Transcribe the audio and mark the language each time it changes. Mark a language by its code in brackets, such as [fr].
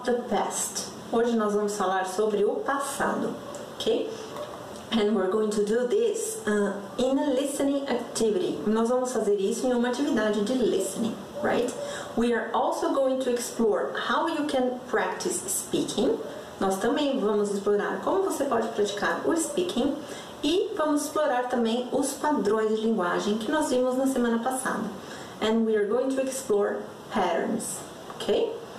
[pt] Past. Hoje nós vamos falar sobre o passado, ok? [en] And we're going to do this in a listening activity. [pt] Nós vamos fazer isso em uma atividade de listening, right? [en] We are also going to explore how you can practice speaking. [pt] Nós também vamos explorar como você pode praticar o speaking e vamos explorar também os padrões de linguagem que nós vimos na semana passada. [en] And we are going to explore patterns, ok?